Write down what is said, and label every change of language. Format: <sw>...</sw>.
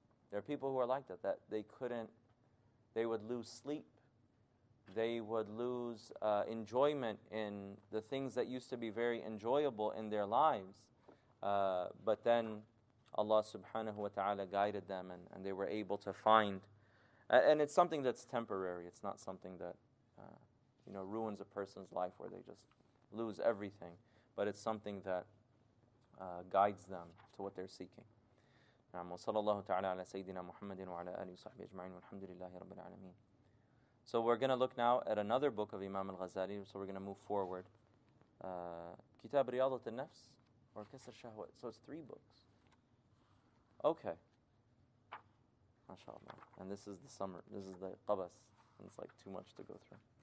<en>There are people who are like that, that they couldn't, they would lose sleep, they would lose enjoyment in the things that used to be very enjoyable in their lives, but then Allah subhanahu wa ta'ala guided them and they were able to find, and it's something that's temporary, it's not something that you know, ruins a person's life where they just lose everything, but it's something that guides them to what they're seeking.</en> <ar>نعم وصلى الله تعالى على سيدنا محمد وعلى آله وصحبه أجمعين والحمد لله رب العالمين.</ar> <en>So we're going to look now at another book of Imam al-Ghazali, so we're going to move forward. Kitab Riyadat al-Nafs or Kasr Shahwat. So it's three books. Okay. MashaAllah. And this is the summer. This is the Qabas. And it's like too much to go through.</en>